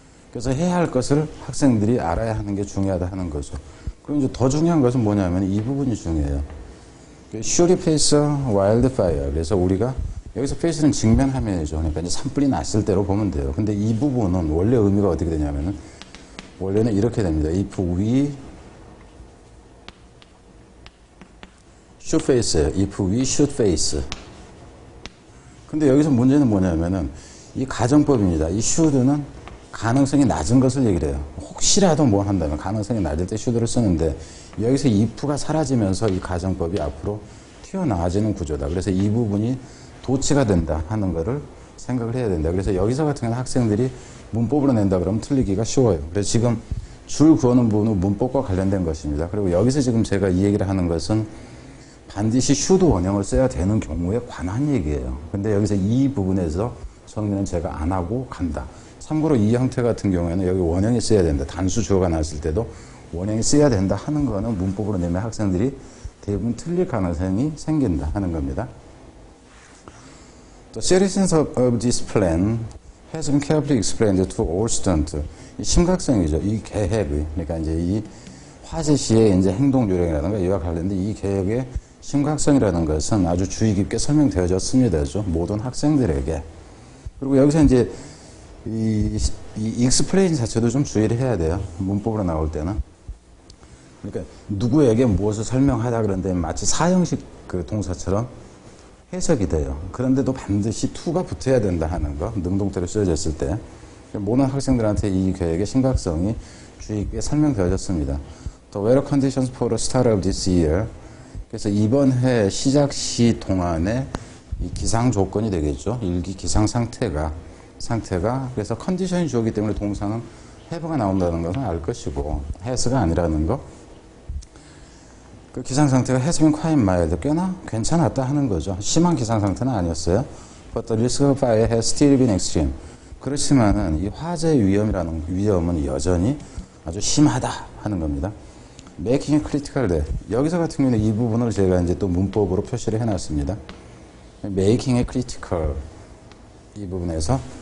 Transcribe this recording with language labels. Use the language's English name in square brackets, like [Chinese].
[Korean] 그래서 해야 할 것을 학생들이 알아야 하는 게 중요하다 하는 거죠. 그리고 이제 더 중요한 것은 뭐냐면 이 부분이 중요해요. [English] Should face a wildfire. [Korean] 그래서 우리가 여기서 페이스는 직면하면이죠. 그러니까 이제 산불이 났을 때로 보면 돼요. 근데 이 부분은 원래 의미가 어떻게 되냐면은, 원래는 이렇게 됩니다. [English] If we should face, if we should face. [Korean] 근데 여기서 문제는 뭐냐면은, 이 가정법입니다. 이 should는 가능성이 낮은 것을 얘기를 해요. 혹시라도 뭐 한다면, 가능성이 낮을 때 should를 쓰는데, 여기서 if가 사라지면서 이 가정법이 앞으로 튀어나와지는 구조다. 그래서 이 부분이 도치가 된다 하는 거를 생각을 해야 된다. 그래서 여기서 같은 경우는 학생들이 문법으로 낸다 그러면 틀리기가 쉬워요. 그래서 지금 줄 그어놓은 부분은 문법과 관련된 것입니다. 그리고 여기서 지금 제가 이 얘기를 하는 것은 반드시 should 원형을 써야 되는 경우에 관한 얘기예요. 근데 여기서 이 부분에서 정리는 제가 안 하고 간다. 참고로 이 형태 같은 경우에는 여기 원형이 써야 된다. 단수 주어가 나왔을 때도 원형이 써야 된다 하는 거는 문법으로 내면 학생들이 대부분 틀릴 가능성이 생긴다 하는 겁니다. [English] 또 seriousness of this plan has been carefully explained to all students. [Korean] 이 심각성이죠. 이 계획이. 그러니까 이제 이 화재 시에 이제 행동 요령이라든가 이와 관련된 이 계획의 심각성이라는 것은 아주 주의 깊게 설명되어졌습니다. 모든 학생들에게. 그리고 여기서 이제 이 explain 자체도 좀 주의를 해야 돼요. 문법으로 나올 때는. 그러니까 누구에게 무엇을 설명하다 그런데 마치 사형식 그 동사처럼 해석이 돼요. 그런데도 반드시 to가 붙어야 된다 하는 거. 능동태로 쓰여졌을 때. 모든 학생들한테 이 계획의 심각성이 주의 깊게 설명되어졌습니다. [English] The weather conditions for the start of this year. [Korean] 그래서 이번 해 시작 시 동안에 이 기상 조건이 되겠죠. 일기 기상 상태가. 그래서 컨디션이 좋기 때문에 동사는 have가 나온다는 것은 알 것이고, has가 아니라는 거. 그 기상 상태가 [English] has been quite mild. [Korean] 꽤나 괜찮았다 하는 거죠. 심한 기상 상태는 아니었어요. [English] But the risk of fire has still been extreme. [Korean] 그렇지만은 이 화재 위험은 여전히 아주 심하다 하는 겁니다. [English] Making a critical day. [Korean] 여기서 같은 경우는 이 부분을 제가 이제 또 문법으로 표시를 해놨습니다. [English] Making a critical [Korean] 이 부분에서.